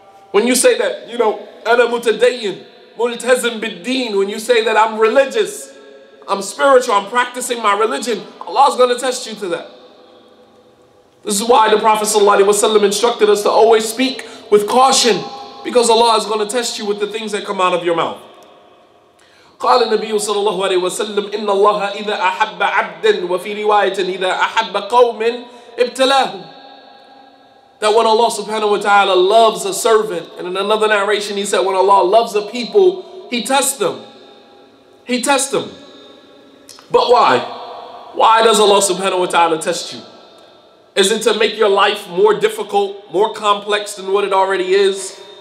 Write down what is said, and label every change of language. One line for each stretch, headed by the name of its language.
English: When you say that, you know,
Arabic: أَنَا مُتَدَيِّن, مُلْتَزِم بِالدِّين,
English: when you say that I'm religious, I'm spiritual, I'm practicing my religion, Allah is going to test you to that. This is why the Prophet sallallahu alaihi wasallam instructed us to always speak with caution, because Allah is going to test you with the things that come out of your mouth.
Arabic: قال النبي صلى الله عليه وسلم إن الله إذا أحب عبدا وفي رواية إذا أحب قوم ابتلاهم.
English: That when Allah subhanahu wa ta'ala loves a servant, and in another narration He said when Allah loves a people, He tests them. He tests them. But why? Why does Allah subhanahu wa ta'ala test you? Is it to make your life more difficult, more complex than what it already is?